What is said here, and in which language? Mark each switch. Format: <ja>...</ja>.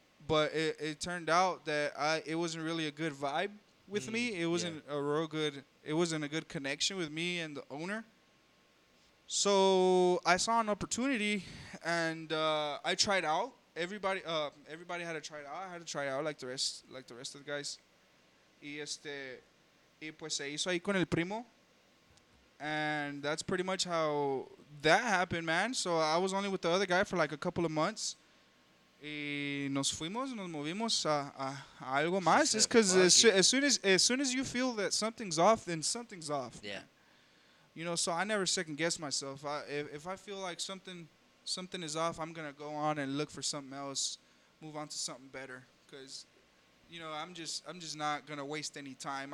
<en>But it turned out that it wasn't really a good vibe with me. It wasn't it wasn't a good connection with me and the owner. So I saw an opportunity, and I tried out. Everybody had to try it out. I had to try out like the rest of the guys.</en> <es>Y pues se hizo ahí con el primo.</es> <en>And that's pretty much how that happened, man. So I was only with the other guy for like a couple of months.</en> <es>Y nos fuimos, nos movimos a algo más.</es> <en>It's because as soon as you feel that something's off, then something's off. Yeah. You know, so I never second guess myself. If I feel like something is off, I'm going to go on and look for something else, move on to something better. Because, you know, I'm just not going to waste any time.</en>